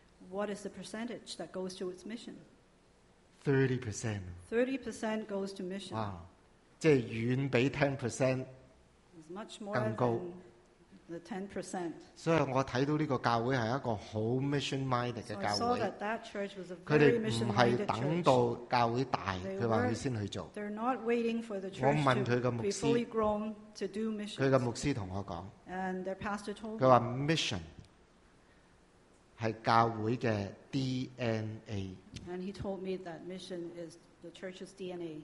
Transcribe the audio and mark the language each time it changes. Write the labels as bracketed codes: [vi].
[en] What is the percentage that goes to its mission？ [yue] 30%。 [en] 30% goes to mission。 [yue] 哇！即係遠比10% 更高。 [en] The 10%。 [yue] 所以我睇到呢個教會係一個好 mission minded 嘅教會。 [en] So I saw that church was a very [yue] 佢哋唔係等到教會大，佢話佢先去做。 [en] They're not waiting for the church to be fully grown to do mission。 [yue] 我問佢嘅牧師，佢嘅牧師同我講。 [en] And their pastor told me。 [yue] 佢話 mission 係教會嘅 DNA。 [en] And he told me that mission is the church's DNA。